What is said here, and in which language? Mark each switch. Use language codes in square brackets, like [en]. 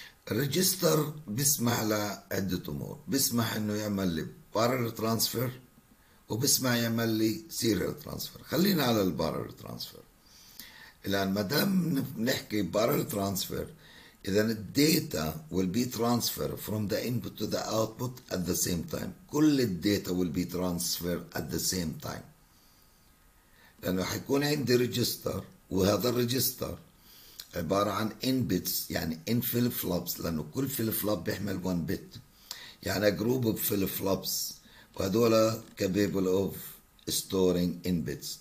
[ar] الريجستر بيسمح لعدة أمور، بيسمح إنه يعمل لي بارل ترانسفير، وبيسمح يعمل لي سيريال ترانسفير. خلينا على البارل ترانسفير. الآن ما دام نحكي بارل ترانسفير إذن الداتا [en] will be transferred from the input to the output at the same time. [ar] كل الداتا [en] will be transferred at the same time. [ar] لأنه حيكون عندي ريجستر، وهذا الريجستر عبارة عن إن بيتس، يعني إن فليب فلوبس، لأنه كل فليب فلوب بيحمل 1 بيت. [en] يعني group of flip flops, وهذول capable of storing n bits.